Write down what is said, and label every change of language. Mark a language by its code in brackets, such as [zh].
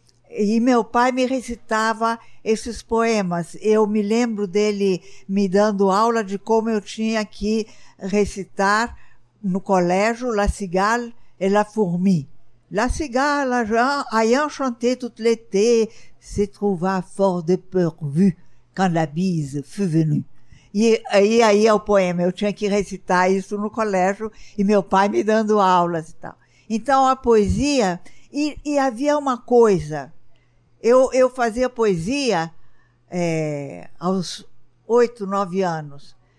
[pt] E meu pai me recitava esses poemas. Eu me lembro dele me dando aula de como eu tinha que recitar no colégio La Cigale et la Fourmi. [fr] La Cigale ayant chanté toute l'été se trouva fort dépourvue quand la bise fut venue. [pt] E aí é o poema. Eu tinha que recitar isso no colégio e meu pai me dando aulas e tal. Então, a poesia... E havia uma coisa. Eu fazia poesia aos 8, 9 anos.